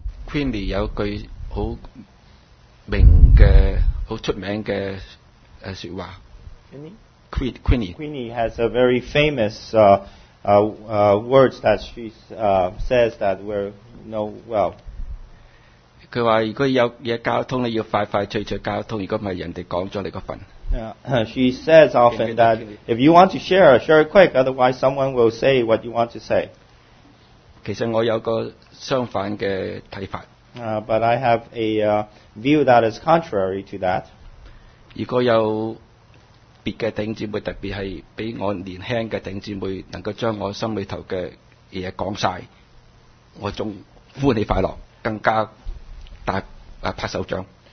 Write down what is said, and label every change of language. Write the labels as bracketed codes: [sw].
[yue] Queenie 有句好名嘅、好出名嘅说话。 [en] Queenie has a very famous. Words that she says that we know well. [yue] 佢话如果有嘢交通，你要快快脆脆交通。如果唔系，人哋讲咗你个份。 [en] She says often that if you want to share it quick, otherwise someone will say what you want to say. [yue] 其实我有个相反嘅睇法。 [en] But I have a view that is contrary to that. [yue] 如果有别的弟兄姊妹，特别是比我年轻的弟兄姊妹，能够将我心里头的嘢讲晒，我仲欢喜快乐，更加大拍手掌。